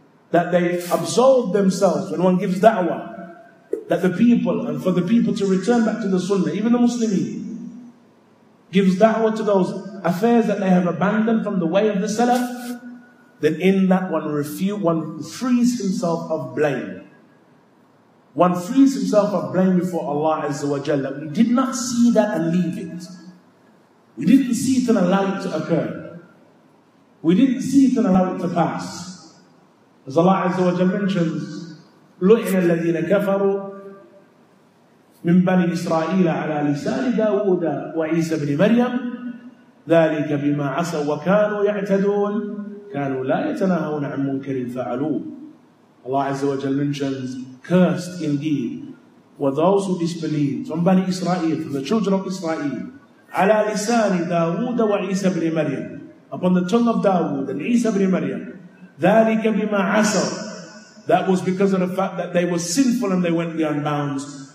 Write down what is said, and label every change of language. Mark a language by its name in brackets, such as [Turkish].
[English] that they absolve themselves when one gives da'wah, that the people, and for the people to return back to the sunnah, even the Muslimin, gives da'wah to those affairs that they have abandoned from the way of the salaf, then in that one frees himself of blame. One frees himself of blame before Allah Azza wa Jalla. We did not see that and leave it. We didn't see it and allow it to occur. We didn't see it and allow it to pass. As Allah Azza wa Jalla mentions, [Arabic] لُعِنَ الَّذِينَ كَفَرُوا مِنْ بَنِي إِسْرَائِيلَ عَلَى لِسَانِ دَاوُدَ وَعِيسَى بْنِ مَرْيَمَ ذَلِكَ بِمَا عَصَوْا وَكَانُوا يَعْتَدُونَ كَانُوا لَا يَتَنَاهَوْنَ عَنْ مُنْكَرٍ فَعَلُوهُ. [English] Allah Azza wa Jal mentions, cursed indeed were those who disbelieved from Bani Israel, from the children of Israel, [Arabic] عَلَى لِسَانِ دَاوُدَ وَعِيسَى بْنِ مَرْيَمَ, [English] upon the tongue of Dawood and Isa ibn Maryam, [Arabic] ذَلِكَ بِمَا عَصَوْا, [English] that was because of the fact that they were sinful and they went beyond bounds.